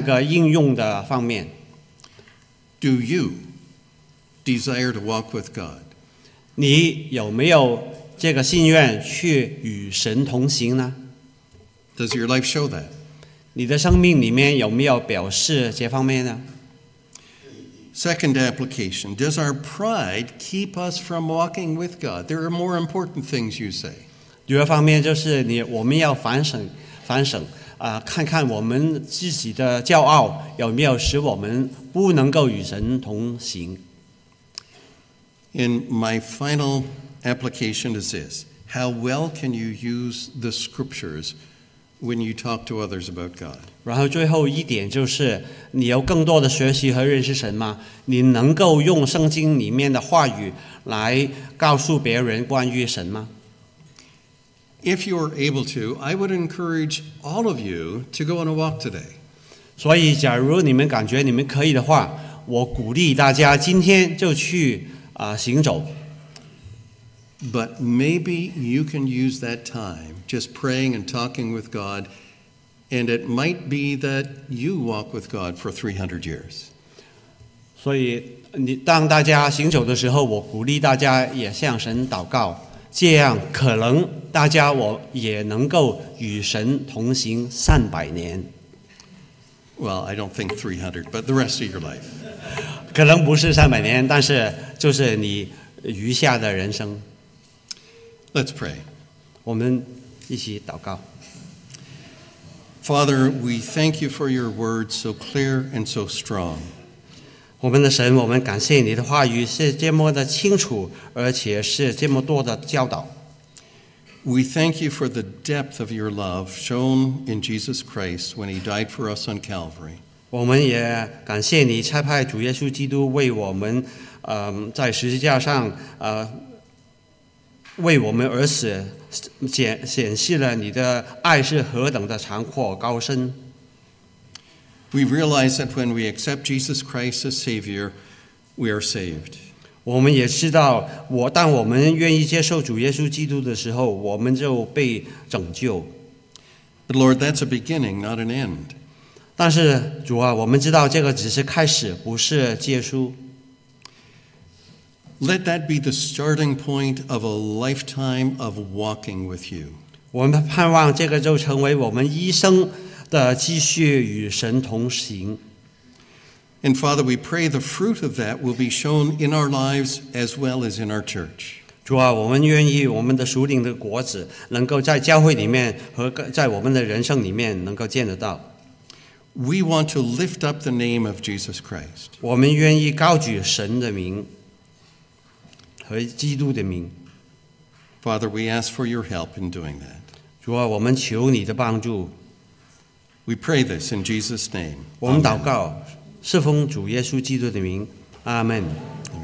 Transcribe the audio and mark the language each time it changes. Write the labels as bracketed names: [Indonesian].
[Chinese] 所以我希望带给你3个应用的方面。 [English] Do you desire to walk with God? [Chinese] 你有没有这个心愿去与神同行呢？ [English] Does your life show that? [Chinese] 你的生命里面有没有表示这方面呢？ [English] Second application, does our pride keep us from walking with God? There are more important things you say. [Chinese] 第二方面就是我们要反省，看看我们自己的骄傲有没有使我们不能够与神同行。 [English] And my final application is this, how well can you use the scriptures when you talk to others about God? [Chinese] 然后最后一点就是，你有更多的学习和认识神吗？你能够用圣经里面的话语来告诉别人关于神吗？ [English] If you are able to, I would encourage all of you to go on a walk today. [Chinese] 所以假如你们感觉你们可以的话，我鼓励大家今天就去行走。 [English] But maybe you can use that time just praying and talking with God, and it might be that you walk with God for 300 years. [Chinese] 所以你当大家行走的时候，我鼓励大家也向神祷告，这样可能大家我也能够与神同行三百年。 [English] Well, I don't think 300, but the rest of your life. [Chinese] 可能不是三百年，但是就是你余下的人生。 [English] Let's pray. [Chinese] 我们一起祷告。 [English] Father, we thank you for your word so clear and so strong. [Chinese] 我们的神，我们感谢你的话语是这么的清楚，而且是这么多的教导。 [English] We thank you for the depth of your love shown in Jesus Christ when he died for us on Calvary. [Chinese] 我们也感谢你差派主耶稣基督为我们，在十字架上，为我们而死，显示了你的爱是何等的长阔高深。 [English] We realize that when we accept Jesus Christ as Savior, we are saved. [Chinese] 我们也知道，当我们愿意接受主耶稣基督的时候，我们就被拯救。 [English] But Lord, that's a beginning, not an end. [Chinese] 但是主啊，我们知道这个只是开始，不是结束。 [English] Let that be the starting point of a lifetime of walking with you. [Chinese] 我们盼望这个就成为我们一生的积蓄，与神同行。 [English] And Father, we pray the fruit of that will be shown in our lives as well as in our church. [Chinese] 主啊，我们愿意我们的属灵的果子能够在教会里面和在我们的人生里面能够见得到。 [English] We want to lift up the name of Jesus Christ. [Chinese] 我们愿意高举神的名。和基督的名。 [English] Father, we ask for your help in doing that. [Chinese] 主啊，我们求你的帮助。 [English] We pray this in Jesus' name. [Chinese] 我们祷告，是奉主耶稣基督的名。阿门。